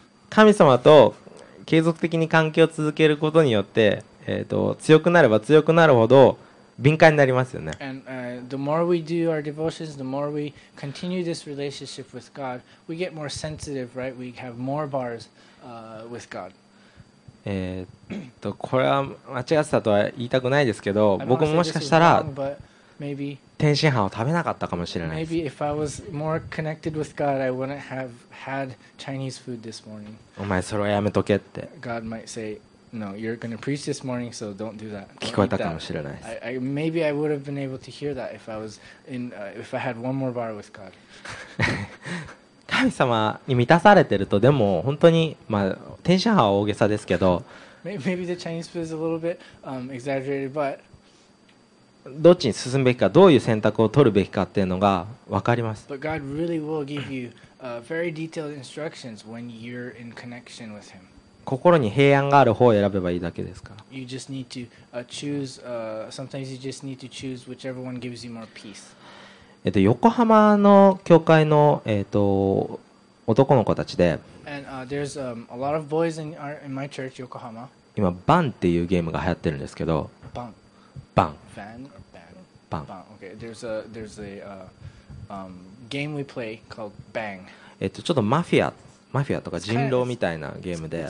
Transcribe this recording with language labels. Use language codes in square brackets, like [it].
[ja] 神様と継続的に関係を続けることによって、強くなれば強くなるほど敏感になりますよね。 [en] And, the more we do our devotions, the more we continue this relationship with God, we get more sensitive, right? We have more bars, with God. [ja] これは間違ってたとは言いたくないですけど、僕ももしかしたら天津飯を食べなかったかもしれないです。 [en] Maybe if I was more connected with God, I wouldn't have had Chinese food this morning. [ja] お前それはやめとけって。 [en] God might say,No, you're going to preach this morning, so don't do that. [ja] 聞こえたかもしれないです。 [en] Maybe I would have been able to hear that if I was in, if I had one more bar with God. [ja] 神様に満たされてると、でも本当に、まあ、天津飯は大げさですけど、 [en] Maybe the Chinese food is a little bit, exaggerated, but [ja] どっちに進むべきか、どういう選択を取るべきかっていうのが分かります。 [en] But God really will give you, very detailed instructions when you're in connection with Him. [ja] 心に平安がある方を選べばいいだけですから。 [en] You just need to choose, sometimes you just need to choose whichever one gives you more peace. [ja] 横浜の教会の、男の子たちで、 [en] And, there's, a lot of boys in, our, in my church, Yokohama. [ja] 今バンっていうゲームが流行ってるんですけど、バン、バン、ファン、バン、バン、 [en] バン、 Okay, there's a, there's a, game we play called Bang. [ja] ちょっとマフィアとか人狼みたいなゲームで、